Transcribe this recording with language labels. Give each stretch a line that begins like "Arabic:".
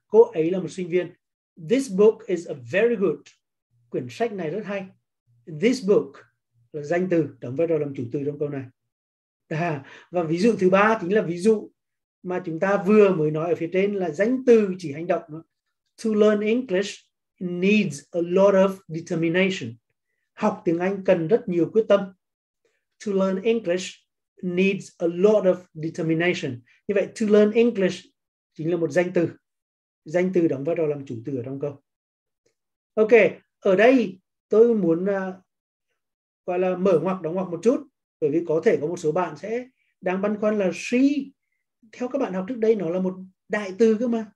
Vietnamese: Cô ấy là một sinh viên.
English: This book is a very good.
Vietnamese: Quyển sách này rất hay.
English: This book
Vietnamese: là danh từ, đóng vai trò làm chủ từ trong câu này. Và ví dụ thứ ba chính là ví dụ mà chúng ta vừa mới nói ở phía trên là danh từ chỉ hành động.
English: To learn English needs a lot of determination.
Vietnamese: Học tiếng Anh cần rất nhiều quyết tâm.
English: To learn English needs a lot of determination.
Vietnamese: Như vậy,
English: to learn English
Vietnamese: chính là một danh từ. Danh từ đóng vai trò làm chủ từ ở trong câu. Ok, ở đây tôi muốn gọi là mở ngoặc, đóng ngoặc một chút. Bởi vì có thể có một số bạn sẽ đang băn khoăn là she, theo các bạn học trước đây nó là một đại từ cơ mà.